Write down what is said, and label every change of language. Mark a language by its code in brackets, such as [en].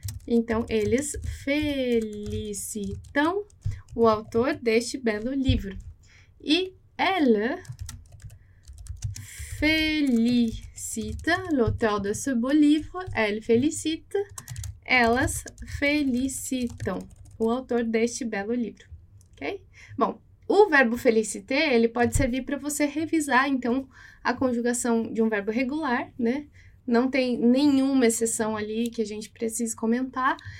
[pt] Então, eles félicitam o autor deste belo livro. [fr] E elle félicite l'auteur de ce beau livre. Elle félicite. [pt] Elas félicitam o autor deste belo livro. Ok? Bom, o verbo féliciter, ele pode servir para você revisar, então, a conjugação de um verbo regular, né? Não tem nenhuma exceção ali que a gente precise comentar.